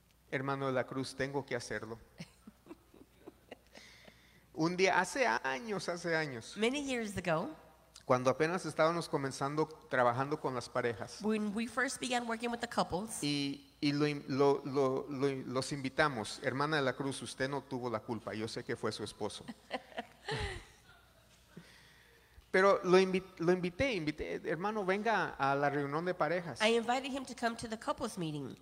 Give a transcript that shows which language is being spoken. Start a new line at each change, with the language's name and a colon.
Spanish: Hermano de la Cruz, tengo que hacerlo. Un día, hace años,
English: many years ago,
Spanish: cuando apenas estábamos comenzando trabajando con las parejas,
English: when we first began working with the couples,
Spanish: y los invitamos, hermana de la Cruz, usted no tuvo la culpa, yo sé que fue su esposo. Pero lo invité, hermano, venga a la reunión de parejas.
English: I invited him to come to the couples meeting.